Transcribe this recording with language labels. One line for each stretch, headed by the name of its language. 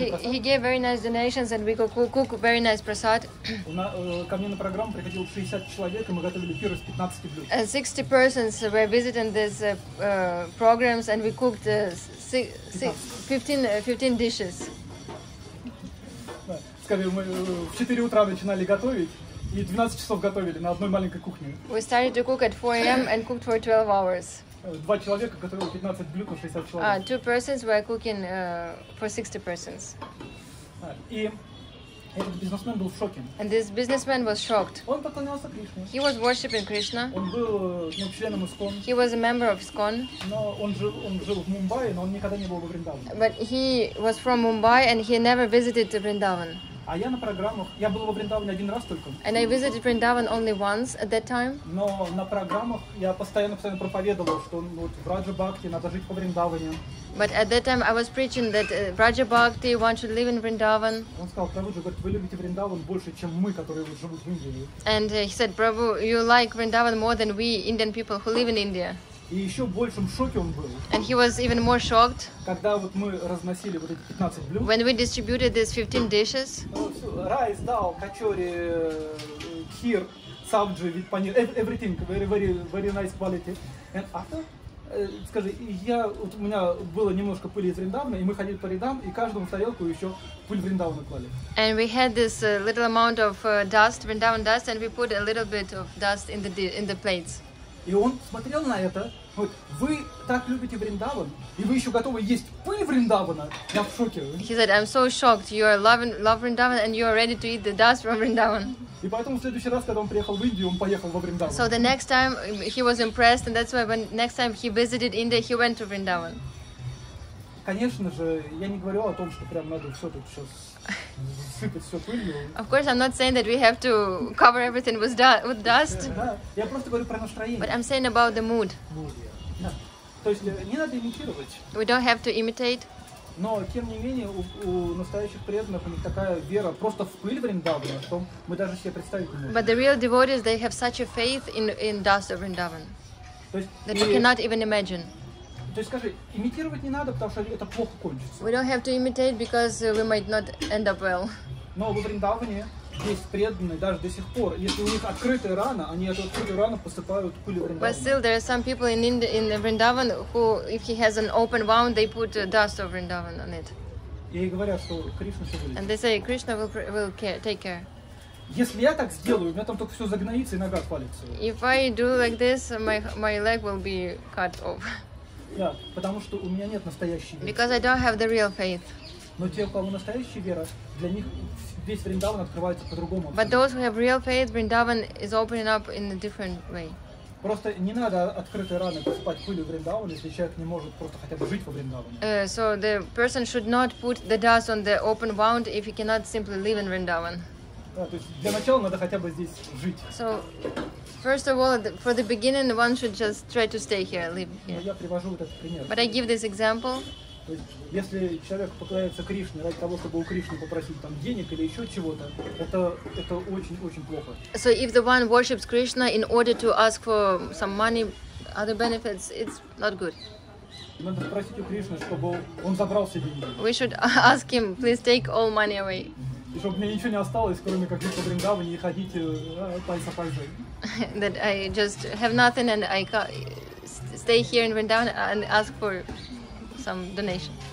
English: He gave very nice donations and we could cook very nice prasad. And 60 persons were visiting these programs and we cooked 15 dishes.
Russian: Скажи, мы в 4 утра начинали готовить. И 12 часов готовили на одной маленькой кухне.
English: We started to cook at 4 a.m. and cooked for 12 hours.
Russian: Два человека готовили 15 блюд на 60 человек.
English: Two persons were cooking for 60 persons.
Russian: И этот бизнесмен был в шоке.
English: And this businessman was shocked.
Russian: Он поклонялся Кришне.
English: He was worshiping Krishna.
Russian: Он был членом ИСКОН.
English: He was a member of ISKCON.
Russian: Но он жил в Мумбаи, но он никогда не был в Вриндаване.
English: But he was from Mumbai and he never visited Vrindavan.
Russian: А я на программах, я был во Вриндаване один раз только.
English: And I visited Vrindavan only once at that time.
Russian: Но на программах я постоянно проповедовал, что вот в Раджа Бхакти надо жить по Вриндаване.
English: But at that time I was preaching that Raja Bhakti, one should live in Vrindavan.
Russian: Он сказал, Прабху, говорит, вы любите Вриндаван больше, чем мы, которые живут в Индии.
English: And he said, Prabhu, you like Vrindavan more than we Indian people who live in India.
Russian: И еще в большем шоке он был.
English: And he was even more shocked.
Russian: Когда вот мы разносили вот эти 15 блюд.
English: When we distributed these 15 dishes.
Russian: Райс, дал, качори, кхир, сабджи, ведь панир,
English: everything, very, very, very nice quality. And after,
Russian: скажи, вот у меня было немножко пыли из Вриндавана, и мы ходили по рядам, и каждому в тарелку еще пыль Вриндавана клали.
English: And we had this little amount of dust, Vrindavan dust, and we put a little bit of dust in the plates.
Russian: И он смотрел на это, говорит, вы так любите Вриндаван, и вы еще готовы есть пыль Вриндавана? Я в шоке.
English: He said, I'm so shocked, you are loving love Vrindavan and you are ready to eat the dust from Vrindavan.
Russian: И поэтому в следующий раз, когда он приехал в Индию, он поехал во Вриндаван.
English: So the next time he was impressed, and that's why when next time he visited India, he went to Vrindavan.
Russian: Конечно же, я не говорю о том, что прям надо все тут сейчас...
English: Of course, I'm not saying that we have to cover everything with dust.
Russian: Я просто говорю про настроение.
English: But I'm saying about the mood.
Russian: То есть не надо имитировать.
English: We don't have to imitate.
Russian: Но тем не менее у настоящих преданных у них такая вера просто в пыль Вриндавана, что мы даже себе представить не можем.
English: But the real devotees, they have such a faith in dust of Vrindavan that we cannot even imagine.
Russian: То есть скажи, имитировать не надо, потому что это плохо кончится.
English: We don't have to imitate because we might not end up well.
Russian: Но во Вриндаване есть преданные даже до сих пор. Если у них открытая рана, они эту открытую рану посыпают пыль Вриндавана.
English: But still, there are some people in Vrindavan who, if he has an open wound, they put dust of Vrindavan on it.
Russian: И говорят, что Кришна все вылечит.
English: And they say Krishna will care, take care.
Russian: Если я так сделаю, у меня там только все загноится и нога отвалится.
English: If I do like this, my leg will be cut off.
Russian: Да, потому что у меня нет настоящей веры.
English: Because I don't have the real faith.
Russian: Но те, у кого настоящая вера, для них весь Вриндаван открывается по-другому.
English: But those who have real faith, Vrindavan is opening up in a different way.
Russian: Просто не надо открытой раны посыпать пылью Вриндаван, если человек не может просто хотя бы жить во Вриндаване.
English: So the person should not put the dust on the open wound if he cannot simply live in Vrindavan.
Russian: Да, то есть для начала надо хотя бы здесь жить.
English: So, first of all, for the beginning, one should just try to stay here, live here.
Russian: Я привожу вот этот пример.
English: But I give this example.
Russian: То есть, если человек поклоняется Кришне ради того, чтобы у Кришны попросить там денег или еще чего-то, это очень-очень плохо.
English: So if the one worships Krishna in order to ask for some money, other benefits, it's not good.
Russian: Надо спросить у Кришны, чтобы он забрал все деньги.
English: We should ask him, please take all money away.
Russian: И чтобы мне ничего не осталось, кроме как жить по Вриндаване и ходить пальца-пальца.
English: That I just have nothing and I can stay here in Vrindavan and ask for some donation.